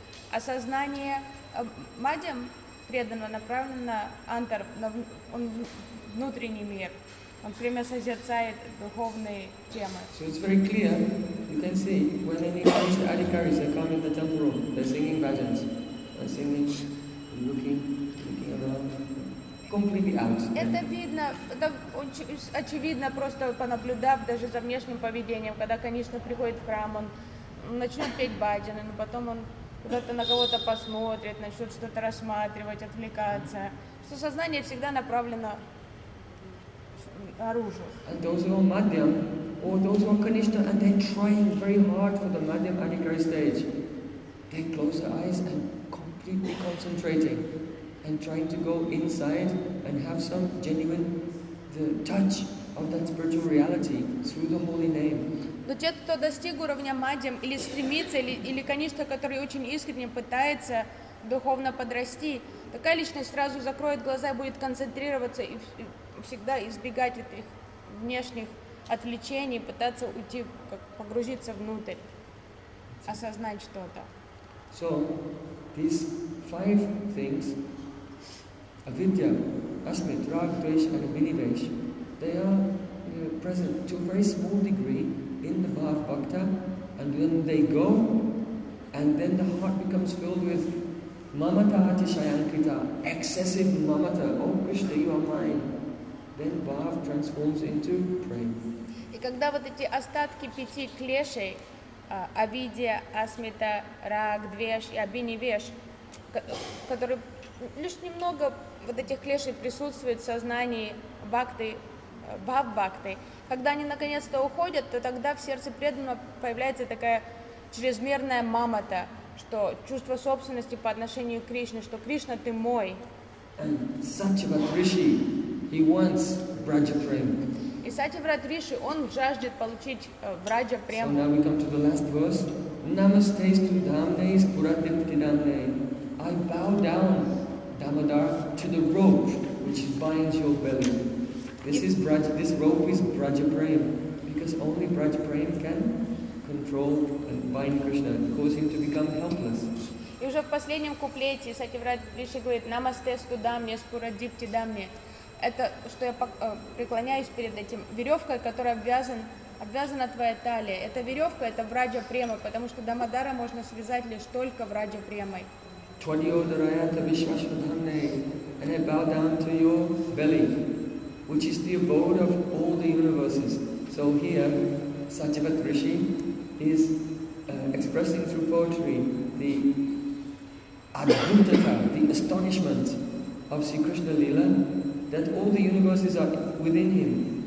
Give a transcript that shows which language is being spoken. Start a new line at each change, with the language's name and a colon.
Russian: А сознание Мадьям преданного направлено на антар, на внутренний мир. Он все время созерцает духовные темы.
English: So it's very clear, you can see, when any Kanishtha Adhikaris are coming to the temple room, they're singing bhajans. Singing, looking around. completely out.
Russian: Это видно, это очевидно, просто понаблюдав даже за внешним поведением, когда, конечно, приходит в храм, он начнет петь баджаны, но потом он куда-то на кого-то посмотрит, начнет что-то рассматривать, отвлекаться. Что сознание всегда направлено к оружию.
English: And those who are madhyam, or those who are kanishta, and they're trying very hard for the madhyam adhikari stage, they close their eyes and completely concentrating and trying to go inside and have some genuine the touch of that spiritual reality through the holy name.
Russian: Но те, кто достиг уровня мадхьям или стремится, или конечно, который очень искренне пытается духовно подрасти, такая личность сразу закроет глаза и будет концентрироваться и всегда избегать этих внешних отвлечений, пытаться уйти, как погрузиться внутрь, осознать что-то.
English: So, these five things, avidya, asmit, rag, dvesh, and abhinivesh, they are present to a very small degree in the Bhav Bhakta, and then they go, and then the heart becomes filled with mamata atishayankrita, excessive mamata, oh Krishna, you are mine. Then Bhav transforms into prema.
Russian: И когда вот эти остатки пяти клешей, авидья, асмита, раг, двеш и абинивеш, которые лишь немного вот этих клешей присутствуют в сознании бхакты, бхав-бхакты, когда они наконец-то уходят, то тогда в сердце преданного появляется такая чрезмерная мамата, что чувство собственности по отношению к Кришне, что Кришна, ты мой.
English: And Сатьяврат Риши, he wants Vraja Prema.
Russian: И Сатьяврат Риши, он жаждет получить Vraja Prema.
English: So now we come to the last verse.
Sanskrit: Namaste to Dhamnes Puradipti Dhamnes.
English: I bow down, Damodar, to the rope which binds your belly. This rope is Vraja Prema, because only Vraja Prema can control and bind Krishna, cause him to become helpless.
Russian: И уже в последнем куплете Сатьяврат Риши говорит:
Sanskrit: Намасте студамне спурадипти дамне.
Russian: Это что я преклоняюсь перед этим веревкой, которая обвязана твоя талия. Эта веревка это Vraja Prema, потому что Дамодара можно связать лишь только Vraja Premai.
Sanskrit: Твадиодараята вишвашвадхамне,
English: and I bow down to your belly, which is the abode of all the universes. So here, Сатьяврат Риши is expressing through poetry the adbhutata, the astonishment of Sri Krishna Lila, that all the universes are within him.